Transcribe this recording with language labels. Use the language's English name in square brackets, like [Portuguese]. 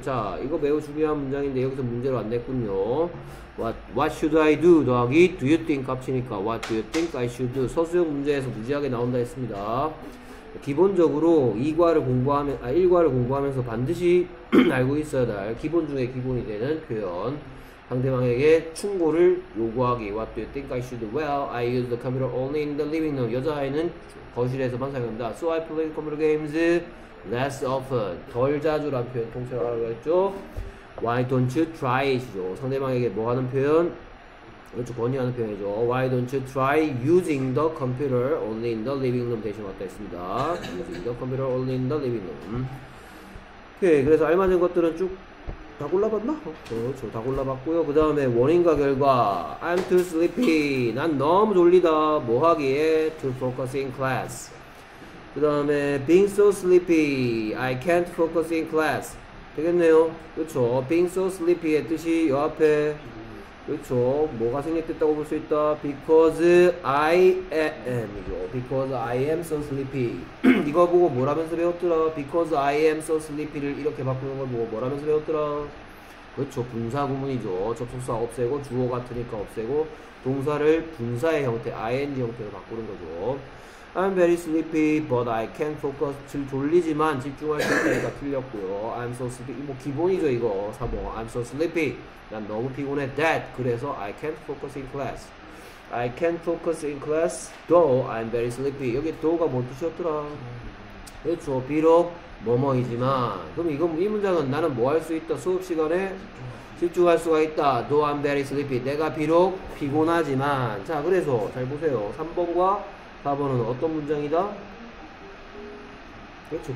[Korean] 자, 이거 매우 중요한 문장인데 여기서 문제로 안 냈군요. [English] What should I do? [Korean] 더하기 [English] do you think [Korean] 값이니까 [English] What do you think I should do? [Korean] 서술형 문제에서 무지하게 나온다 했습니다. 기본적으로 2과를 공부하면 아 1과를 공부하면서 반드시 알고 있어야 할 기본 중에 기본이 되는 표현. 상대방에게 충고를 요구하기. [English] What do you think I should do? Well, I use the computer only in the living room. [Korean] 여자아이는 거실에서만 사용합니다. [English] So I play computer games less often. [Korean] 덜 자주란 표현 통째로 알아야겠죠? [English] Why don't you try it?죠. [Korean] 상대방에게 뭐 하는 표현? 그렇죠. 권유하는 표현이죠. [English] Why don't you try using the computer only in the living room? [Korean] 대신 왔다 했습니다. [English] Using the computer only in the living room. [Korean] 오케이. 그래서 알맞은 것들은 쭉다 골라봤나? 그렇죠. 다 골라봤고요. 그 다음에 원인과 결과. [English] I'm too sleepy. [Korean] 난 너무 졸리다. 뭐 하기에? [English] To focus in class. [Korean] 그 다음에 [English] being so sleepy. I can't focus in class. [Korean] 되겠네요. 그렇죠. being so sleepy의 뜻이 요 앞에 그렇죠. 뭐가 생략됐다고 볼수 있다. [English] Because I am이죠. Because I am so sleepy. [Korean] 이거 보고 뭐라면서 배웠더라? [English] Because I am so sleepy [Korean] 를 이렇게 바꾸는 걸 보고 뭐라면서 배웠더라? 그렇죠. 분사 구문이죠. 접속사 없애고 주어 같으니까 없애고 동사를 분사의 형태, ing 형태로 바꾸는 거죠. [English] I'm very sleepy, but I can't focus. [Korean] 지금 졸리지만 집중할 수 있으니까 틀렸고요. [English] I'm so sleepy. [Korean] 뭐 기본이죠, 이거. 3번. I'm so sleepy. 난 너무 피곤해. [English] That. [Korean] 그래서 [English] I can't focus in class. I can't focus in class, though I'm very sleepy. [Korean] 여기 though가 뭔 뜻이었더라? 그렇죠. 비록 뭐뭐이지만. 그럼 이건 이 문장은 나는 뭐할수 있다. 수업 시간에 집중할 수가 있다. [English] Though I'm very sleepy. [Korean] 내가 비록 피곤하지만. 자, 그래서 잘 보세요. 3번과 4번은 어떤 문장이다? 그렇죠.